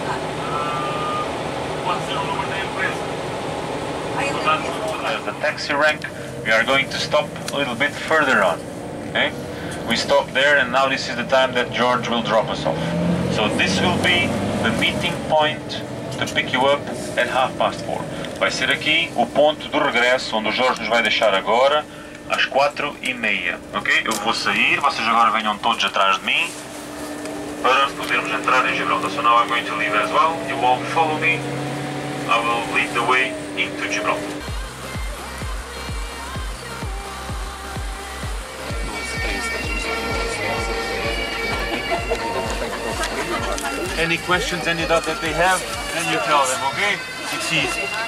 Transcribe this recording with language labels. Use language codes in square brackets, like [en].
[en] What's your number name, please? The taxi rank, we are going to stop a little bit further on. Okay? We stop there, and now this is the time that George will drop us off. So this will be the meeting point to pick you up at 4:30. [pt] Vai ser aqui o ponto do regresso, onde o Jorge nos vai deixar agora, às 4:30. Ok? Eu vou sair, vocês agora venham todos atrás de mim, para podermos entrar em Gibraltar. [en] So now I'm going to leave as well. You all follow me. I will lead the way into Gibraltar. Any questions, any doubt that they have, then you tell them, okay? It's easy.